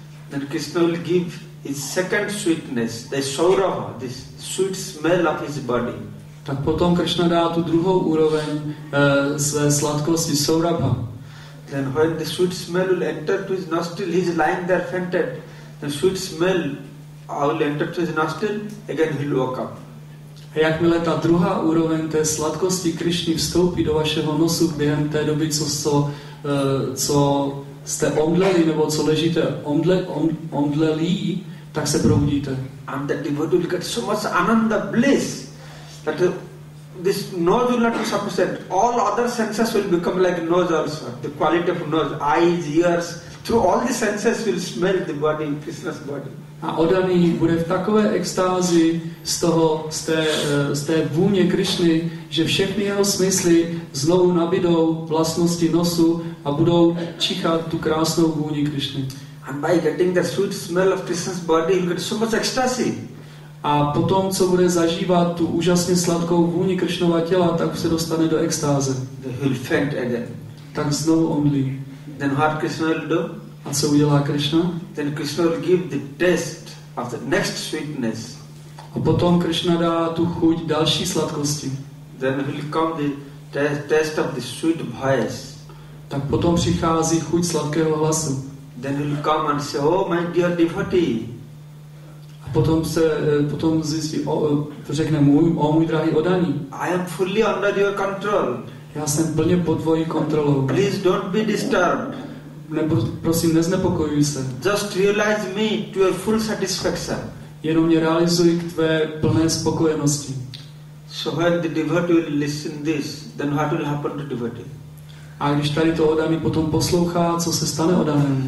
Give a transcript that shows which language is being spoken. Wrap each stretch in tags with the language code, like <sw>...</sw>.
<en>Then Krishna will give his second sweetness, the sauraha, this sweet smell of his body.</en> <cs>Tak potom Krishna dá tu druhou úroveň své sladkosti sauraha.</cs> <en>Then when the sweet smell will enter to his nostril, he is lying there fainted. The sweet smell will enter to his nostril, again he will wake up.</en> <cs>A jakmile ta druhá úroveň té sladkosti Krishny vstoupí do vašeho nosu během té doby, co jste omdleli, nebo co ležíte omdlelí, tak se probudíte.</cs> <en>And the devotee will get so much ananda, bliss, that this nose will not be sufficient. All other senses will become like nose also. The quality of nose, eyes, ears, through all the senses will smell the body, Krishna's body.</en> <cs>A oddaný bude v takové extázi z té vůně Krišny, že všechny jeho smysly znovu nabídou vlastnosti nosu a budou čichat tu krásnou vůni Krišny.</cs> <en>And by getting the sweet smell of Krishna's body, you get so much ecstasy.</en> <cs>A potom, co bude zažívat tu úžasně sladkou vůni Krišnova těla, tak se dostane do extáze.</cs> <en>He'll faint again.</en> <cs>Tak znovu omdlí.</cs> <en>Then what Krishna will do?</en> <cs>A co udělá Krishna?</cs> <en>Then Krishna will give the taste of the next sweetness.</en> <cs>A potom Krishna dá tu chuť další sladkosti.</cs> <en>Then will come the taste of the sweet voice.</en> <cs>Tak potom přichází chuť sladkého hlasu.</cs> <en>Then will come and say, oh my dear devotee.</en> <cs>A potom zjistí, řekne mu, o můj drahý oddaný.</cs> <en>I am fully under your control.</en> <cs>Já jsem plně pod tvojí kontrolou.</cs> <en>Please don't be disturbed.</en> <cs>Prosím, neznepokojuj se.</cs> <en>Just realize me to your full satisfaction.</en> <cs>Jenom mě realizuj k tvé plné spokojenosti.</cs> <en>So when the devotee will listen this, then what will happen to devotee?</en> <cs>A když tady to oddaný potom poslouchá, co se stane oddaným?</cs>